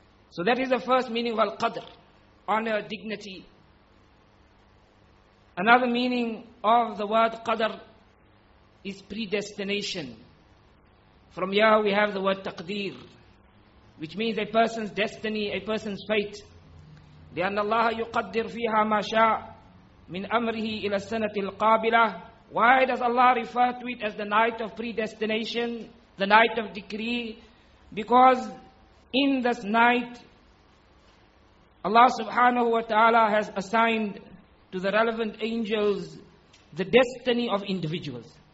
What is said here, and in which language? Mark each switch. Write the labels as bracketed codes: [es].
[en] So that is the first meaning of Al-Qadr, honor, dignity. Another meaning of the word Qadr is predestination. From here we have the word Taqdeer, which means a person's destiny, a person's fate. [ar] لأن الله يقدر فيها ما شاء من أمره إلى السنة القابلة. [en] Why does Allah refer to it as the night of predestination, the night of decree? Because in this night, Allah subhanahu wa ta'ala has assigned to the relevant angels the destiny of individuals.